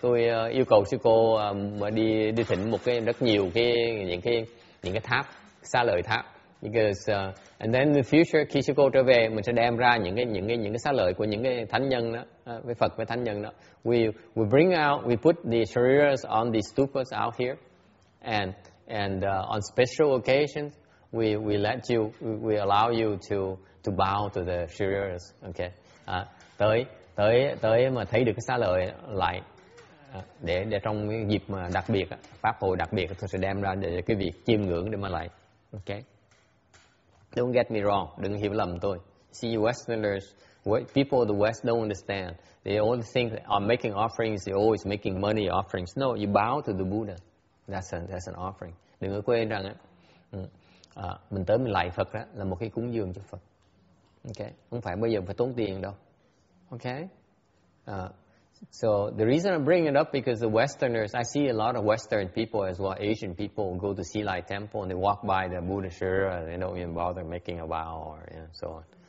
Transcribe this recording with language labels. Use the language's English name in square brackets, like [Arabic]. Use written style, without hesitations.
[Vietnamese] Tôi yêu cầu sư cô đi thỉnh một cái rất nhiều những cái tháp xa lợi tháp, [English] because [Vietnamese] and then in the future khi sư cô trở về, mình sẽ đem ra những cái xa lợi của những cái thánh nhân đó. Với Phật, với thánh nhân đó. [English] We bring out, we put the shariras on the stupas out here, and on special occasions we allow you to bow to the shariras. [Vietnamese] Okay, tới mà thấy được cái xá lợi lại, để trong cái dịp mà đặc biệt pháp hội đặc biệt, tôi sẽ đem ra để cái việc chiêm ngưỡng để mà lại. [English] Okay, don't get me wrong, [Vietnamese] đừng hiểu lầm tôi. [English] See, Westerners, people of the West don't understand. They only think on making offerings, they're always making money offerings. No, you bow to the Buddha. That's an offering. [Vietnamese] Đừng có quên rằng, mình tới mình lại Phật đó, là một cái cúng dường cho Phật. Okay? Không phải bây giờ phải tốn tiền đâu. [English] Okay? So the reason I'm bringing it up, because the Westerners, I see a lot of Western people as well, Asian people go to Silai Temple and they walk by the Buddha Shira and they don't even bother making a vow so on.